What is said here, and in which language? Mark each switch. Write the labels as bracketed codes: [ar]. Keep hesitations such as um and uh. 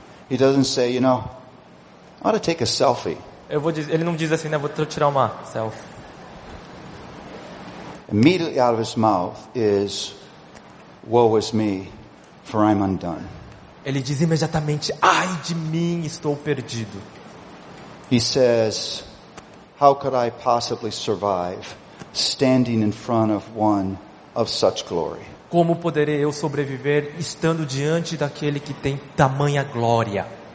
[en] He doesn't say, you know, I ought to take a selfie. [pt] ele não diz assim, né? Vou tirar uma selfie. [en] Immediately out of his mouth is, woe is me, for I'm undone. [pt] Ele diz imediatamente, ai de mim, estou perdido. [en] He says, how could I possibly survive standing in front of one of such glory? [pt] como poderei eu sobreviver estando diante daquele que tem tamanha glória?